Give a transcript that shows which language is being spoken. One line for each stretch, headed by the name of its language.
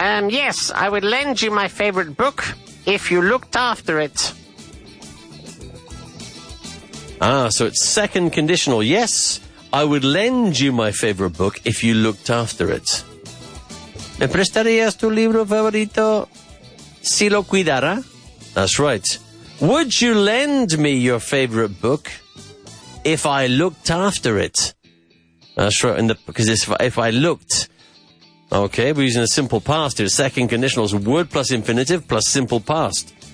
English: Yes, I would lend you my favorite book if you looked after it. Ah, so it's second conditional. Yes, I would lend you my favorite book if you looked after it.
Spanish: ¿Me prestarías tu libro favorito? Si lo cuidara.
English: That's right. Would you lend me your favorite book if I looked after it? That's right. And because it's if I looked. Okay, we're using a simple past here. Second conditional is would plus infinitive plus simple past.